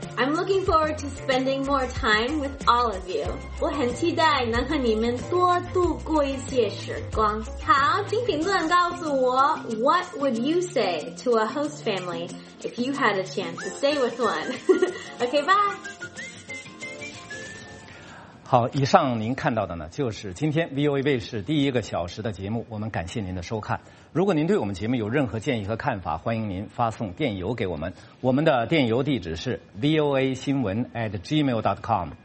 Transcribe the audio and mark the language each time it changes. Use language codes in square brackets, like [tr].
[en] I'm looking forward to spending more time with all of you. [zh] 我很期待能和你们多度过一些时光。好。请评论告诉我 [en] What would you say to a host family if you had a chance to stay with one? Okay, bye. [zh] 好，以上您看到的呢，就是今天 VOA 卫视第一个小时的节目。我们感谢您的收看。如果您对我们节目有任何建议和看法，欢迎您发送电邮给我们。我们的电邮地址是 voa 新闻@gmail.com。